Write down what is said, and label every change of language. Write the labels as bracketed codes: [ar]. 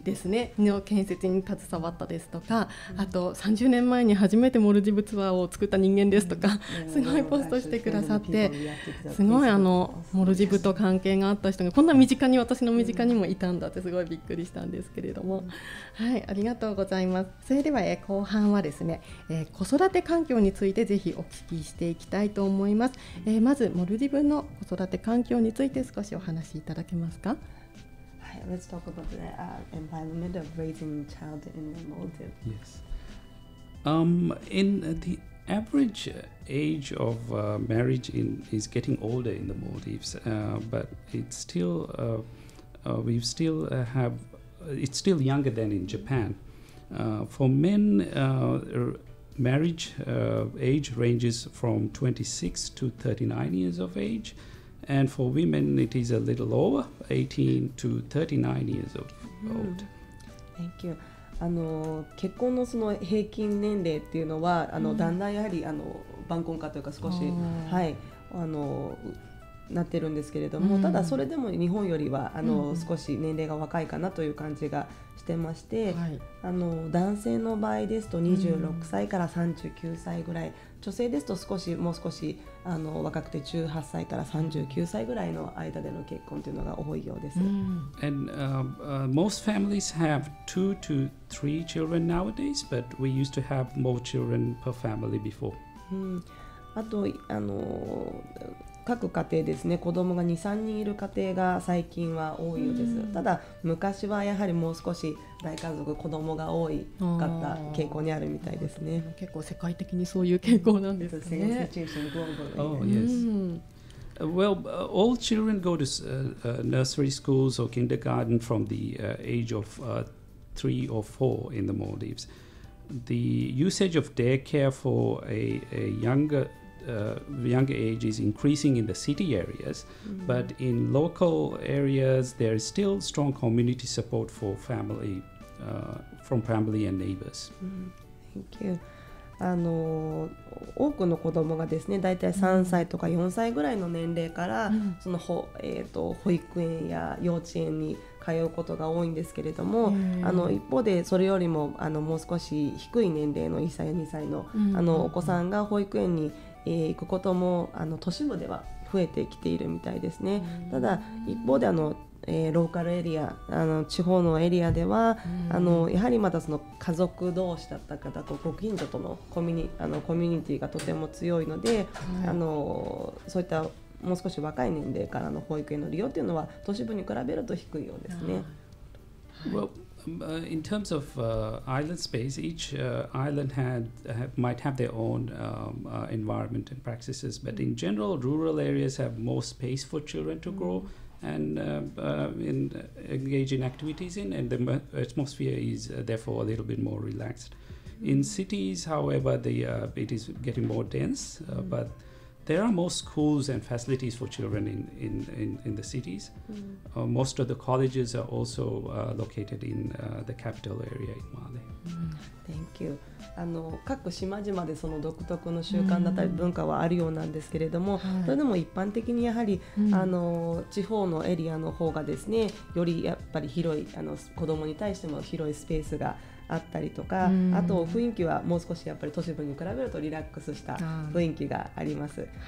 [ja] ですねの建設に携わったですとか、あと30年前に初めてモルディブツアーを作った人間ですとか、すごいポストしてくださって、すごいあのモルディブと関係があった人がこんな身近に、私の身近にもいたんだってすごいびっくりしたんですけれども、はい、ありがとうございます。それでは後半はですね、子育て環境についてぜひお聞きしていきたいと思います。まずモルディブの子育て環境について少しお話しいただけますか。 [en] はい、Let's talk about the environment of raising child in the Maldives. Yes. In the average age of marriage in is getting older in the Maldives, but it's still we still have it's still younger than in Japan. For men, marriage age ranges from 26 to 39 years of age. And for women, it is a little lower, 18 to 39 years old. Thank you. [ja] あの結婚のその平均年齢っていうのは、あのだんだんやはりあの晩婚化というか少し、はい、あのなってるんですけれども、ただそれでも日本よりはあの少し年齢が若いかなという感じがしてまして、あの男性の場合ですと26歳から39歳ぐらい、女性ですと少しもう少しあの若くて18歳から39歳ぐらいの間での結婚というのが多いようです。 [en] And most families have 2 to 3 children nowadays, but we used to have more children per family before. [ja] あとあの各家庭ですね、子供が 2、3 人いる家庭が最近は多いようです。ただ昔はやはりもう少し大家族、子供が多かった傾向にあるみたいですね。結構世界的にそういう傾向なんですね。 [en] Yes. Well, all children go to nursery schools or kindergarten from the age of 3 or 4 in the Maldives. The usage of daycare for a youngerYounger age is increasing in the city areas, but in local areas there is still strong community support for family, from family and neighbors. Thank you. [ja] あの多くの子どもがですね、だいたい3歳とか4歳ぐらいの年齢から、その保育園や幼稚園に通うことが多いんですけれども、あの一方でそれよりもあのもう少し低い年齢の1歳や2歳の、あのお子さんが保育園に行くこともあの都市部では増えてきているみたいですね。ただ一方であの、ローカルエリア、あの地方のエリアでは、あのやはりまだその家族同士だった方とご近所とのコミュニティがとても強いので、あのそういったもう少し若い年齢からの保育園の利用というのは都市部に比べると低いようですね。 [en] In terms of island space, each island might have their own environment and practices, but in general, rural areas have more space for children to grow and engage in activities in, and the atmosphere is therefore a little bit more relaxed. In cities, however, it is getting more dense, but there are more schools and facilities for children in the cities. Most of the colleges are also located in the capital area in Mali. Thank you. [ja] あの各島々でその独特の習慣だったり文化はあるようなんですけれども、それでも一般的にやはり、あの地方のエリアの方がですね、よりやっぱり広い、あの子どもに対しても広いスペースがあったりとか、あと雰囲気はもう少しやっぱり都市部に比べるとリラックスした雰囲気があります。